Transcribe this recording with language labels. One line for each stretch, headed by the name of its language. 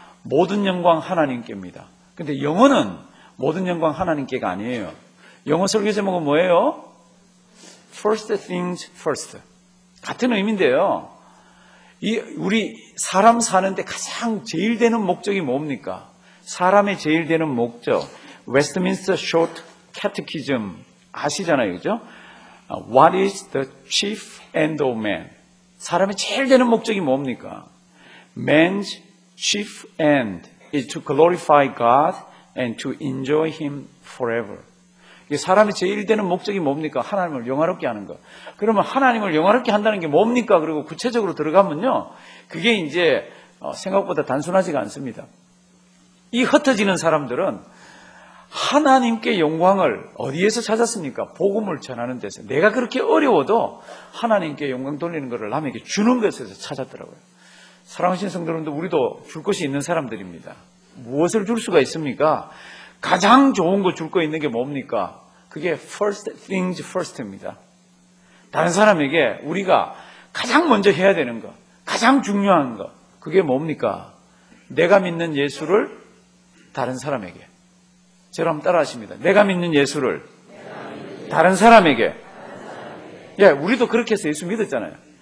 Korean: 모든 영광 하나님께입니다. 근데 영어는 모든 영광 하나님께가 아니에요. 영어 설교 제목은 뭐예요?
English: First things first.
Korean: 같은 의미인데요. 이 우리 사람 사는데 가장 제일 되는 목적이 뭡니까? 사람의 제일 되는 목적. Westminster Short Catechism 아시잖아요, 그죠?
English: What is the chief end of man?
Korean: 사람의 제일 되는 목적이 뭡니까?
English: Man's chief end is to glorify God and to enjoy Him forever.
Korean: 사람이 제일 되는 목적이 뭡니까? 하나님을 영화롭게 하는 것. 그러면 하나님을 영화롭게 한다는 게 뭡니까? 그리고 구체적으로 들어가면요. 그게 이제 생각보다 단순하지가 않습니다. 이 흩어지는 사람들은 하나님께 영광을 어디에서 찾았습니까? 복음을 전하는 데서. 내가 그렇게 어려워도 하나님께 영광 돌리는 것을 남에게 주는 것에서 찾았더라고요. 사랑하신 성도님도 우리도 줄 것이 있는 사람들입니다. 무엇을 줄 수가 있습니까? 가장 좋은 거 줄 거 있는 게 뭡니까? 그게 first things first입니다. 다른 사람에게 우리가 가장 먼저 해야 되는 거, 가장 중요한 거, 그게 뭡니까? 내가 믿는 예수를 다른 사람에게. 저를 한번 따라 하십니다. 내가 믿는 예수를 다른 사람에게. 예, 우리도 그렇게 해서 예수 믿었잖아요.